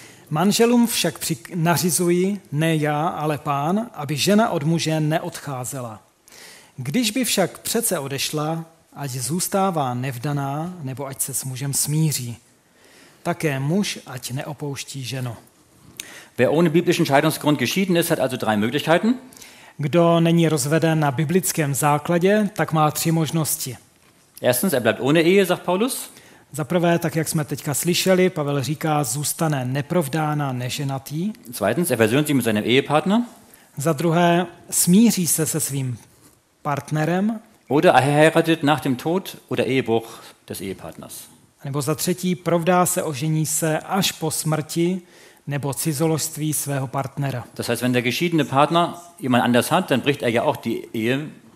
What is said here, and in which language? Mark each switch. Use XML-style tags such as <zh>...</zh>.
<cs>Manželům však nařizuji, ne já, ale Pán, aby žena od muže neodcházela. Když by však přece odešla, ať zůstává nevdaná, nebo ať se s mužem smíří. Také muž, ať neopouští ženu.</cs> <de>Wer ohne biblischen Scheidungsgrund geschieden ist, hat also drei Möglichkeiten.</de> <cs>Kdo není rozveden na biblickém základě, tak má tři možnosti.</cs> <de>Erstens, er bleibt ohne Ehe, sagt Paulus.</de> <cs>Za prvé, tak jak jsme teďka slyšeli, Pavel říká, zůstane neprovdána, neženatý.</cs> <de>Zweitens, er versöhnt sich mit seinem Ehepartner.</de> <cs>Za druhé, smíří se svým partnerem.</cs> <de>Oder er heiratet nach dem Tod oder Ehebruch des Ehepartners.</de> <cs>Nebo za třetí, provdá se, ožení se až po smrti nebo cizoložství svého partnera.</cs> <de>Das heißt, wenn der geschiedene Partner jemand anders hat, dann bricht ja auch die Ehe.</de>